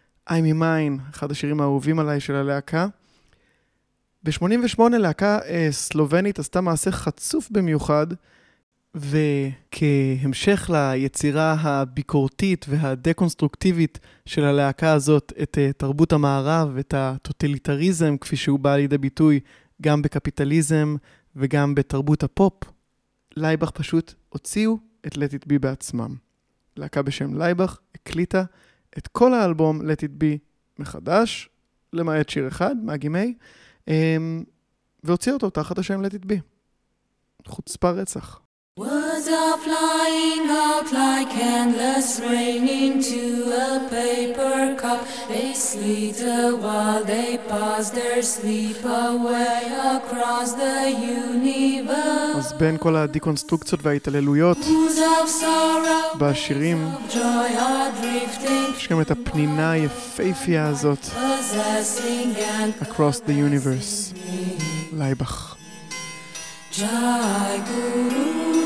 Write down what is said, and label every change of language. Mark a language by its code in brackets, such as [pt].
[he] I'm in Mine, אחד השירים האהובים עליי של הלהקה. ב-88 להקה סלובנית עשתה מעשה חצוף במיוחד, וכהמשך ליצירה הביקורתית והדקונסטרוקטיבית של הלהקה הזאת, את תרבות המערב, את הטוטליטריזם כפי שהוא בא לידי ביטוי גם בקפיטליזם וגם בתרבות הפופ, לייבח פשוט הוציאו את Let It Be בעצמם. להקה בשם לייבח הקליטה את כל האלבום Let It Be מחדש, למעט שיר אחד, מגי מי, והוציא אותו תחת השם Let It Be. חוצפה רצח. [en] Words are flying out like endless rain into a paper cup. They slither while they pass their sleep away across the universe. [he] אז בין כל הדיקונסטרוקציות וההתעללויות בשירים, יש גם את הפנינה היפהפייה הזאת, Across the Universe, לייבך. [sa] Jai Guru